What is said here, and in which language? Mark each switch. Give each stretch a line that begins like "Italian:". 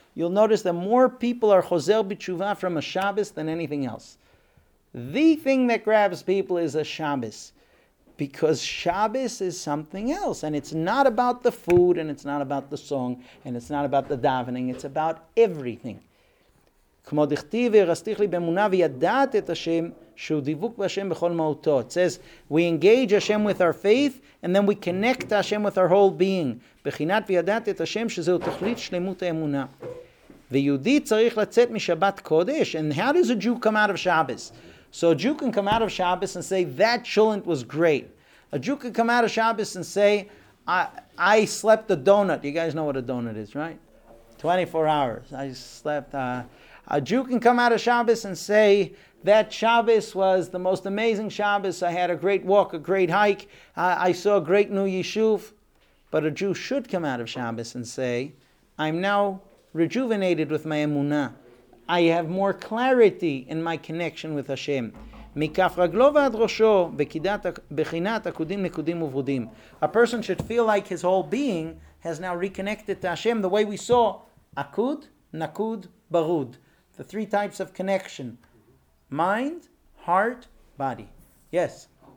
English: You'll notice that more people are Chozer B'Tshuva from a Shabbos than anything else. The thing that grabs people is a Shabbos. Because Shabbos is something else, and it's not about the food, and it's not about the song, and it's not about the davening, it's about everything.
Hebrew: כמו דכתיב ורסתיך לי באמונה וידעת את השם שהוא דיווק בהשם בכל מהותו.
English: It says, we engage Hashem with our faith and then we connect Hashem with our whole being.
Hebrew: בחינת וידעת את השם שזהו תכלית שלמות האמונה. ויהודי צריך לצאת משבת קודש.
English: And how does a Jew come out of Shabbos? So a Jew can come out of Shabbos and say, that chulent was great. A Jew can come out of Shabbos and say, I slept a donut. You guys know what a donut is, right? 24 hours. I slept. A Jew can come out of Shabbos and say, that Shabbos was the most amazing Shabbos. I had a great walk, a great hike. I saw a great new yishuv. But a Jew should come out of Shabbos and say, I'm now rejuvenated with my emunah. I have more clarity in my connection with Hashem.
Hebrew: מכף רגלו ועד ראשו, בחינת עקודים נקודים וברודים.
English: A person should feel like his whole being has now reconnected to Hashem the way we saw.
Hebrew: עקוד, נקוד, ברוד.
English: The three types of connection. Mind, heart, body. Yes.